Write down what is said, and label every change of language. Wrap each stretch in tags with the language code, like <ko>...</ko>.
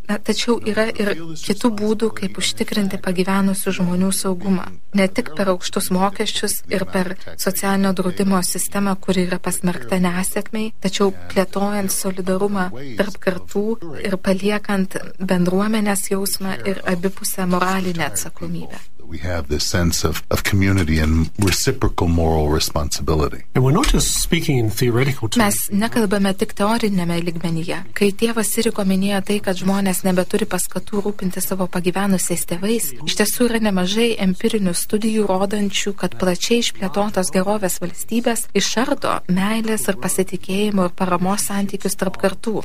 <lt>Na, tačiau yra ir kitų būdų, kaip užtikrinti pagyvenusių žmonių saugumą. Ne tik per aukštus mokesčius ir per socialinio draudimo sistemą, kuri yra pasmerkta nesėkmei, tačiau plėtojant solidarumą tarp kartų ir paliekant bendruomenės jausmą ir abipusę moralinę atsakomybę.</lt> <en>We have this sense of community and reciprocal moral responsibility. And we're not just speaking in theoretical terms.</en> <lt>Mes nekalbame tik teoriniame lygmenyje. Kai tėvas Siriko minėjo tai, kad žmonės nebeturi paskatų rūpinti savo pagyvenusiais tėvais, iš tiesų yra nemažai empirinių studijų rodančių, kad plačiai išplėtotos gerovės valstybės išardo meilės ir pasitikėjimo ir paramos santykius tarp kartų.</lt>